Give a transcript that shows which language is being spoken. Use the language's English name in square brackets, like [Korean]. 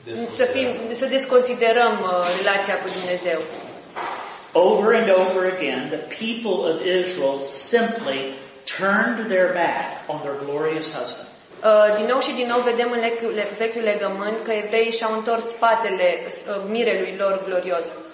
[Romanian] să fim, să desconsiderăm relația cu Dumnezeu. [English] Over and over again, the people of Israel simply turned their back on their glorious husband. [Romanian] Din nou și din nou vedem în vechiul legământ că evreii și-au întors spatele mirelui lor glorios.